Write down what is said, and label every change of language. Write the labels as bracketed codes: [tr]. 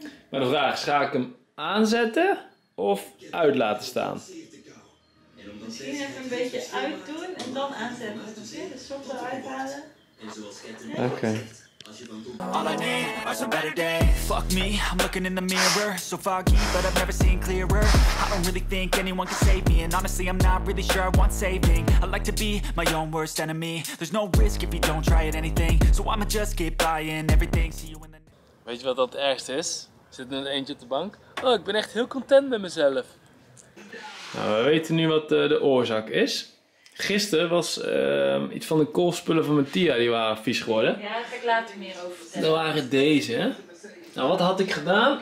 [nl] Maar de vraag is, ga ik hem aanzetten of uit laten staan? Misschien even een beetje uitdoen en dan aanzetten. Dus de sok eruit halen. Oké. [en] All I need are some better days. Fuck me, I'm looking in the mirror. So foggy, but I've never seen clearer. I don't really think anyone can save me. And honestly, I'm not really sure I want saving. I like to be my own worst enemy. There's no risk if you don't try it anything. So I'ma just keep buying everything. See you in the... [nl] Weet je wat dat ergste is? Zit er een eentje op de bank? Oh, ik ben echt heel content met mezelf. Nou, we weten nu wat de oorzaak is. Gisteren was iets van de koolspullen van Mattia, die waren vies geworden. Ja, daar ga ik later meer over vertellen. Dat waren deze. Nou, wat had ik gedaan?